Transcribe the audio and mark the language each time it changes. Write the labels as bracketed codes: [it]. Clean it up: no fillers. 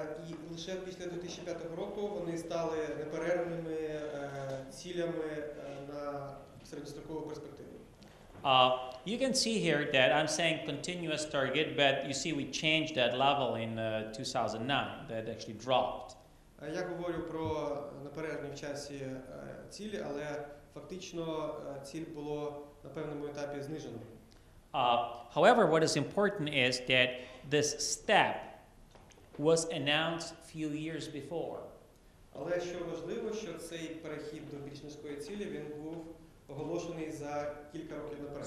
[uk] І лише після 2005 року вони стали неперервними цілями на середньострокову перспективу. [en] You can see here that I'm saying continuous target, but you see we changed that level in 2009, that actually dropped. [uk] Я говорю про неперервні в часі цілі, але фактично ціль було на певному етапі знижено. [en] However, what is important is that this step was announced a few years before. [uk] Але що важливо, що цей перехід до більш низької цілі, він був оголошений за кілька років наперед.